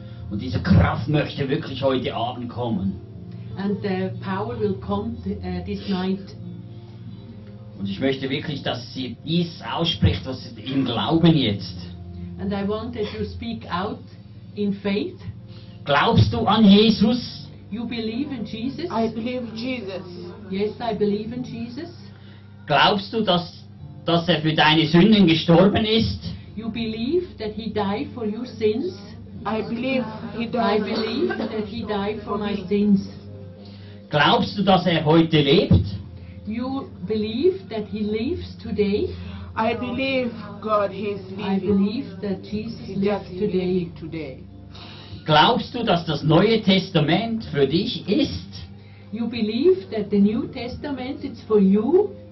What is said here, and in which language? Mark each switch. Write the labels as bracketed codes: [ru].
[de] Und diese Kraft möchte wirklich heute Abend kommen. [en] And the power will come this night. [de] Und ich möchte wirklich, dass sie dies ausspricht, was sie im Glauben jetzt. [en] And I want that you speak out in faith. [de] Glaubst du an Jesus? [en] You believe in Jesus? I believe in Jesus. Yes, I believe in Jesus. [de] Glaubst du, dass er für deine Sünden gestorben ist? [en] You believe that he died for your sins? I believe he died. I believe that he died for my sins. [de] Glaubst du, dass er heute lebt? [en] You believe that he lives today? I believe God is living. I believe that Jesus lives today. [de] Glaubst du, dass das Neue Testament für dich ist? [en] You believe that the New Testament is for you?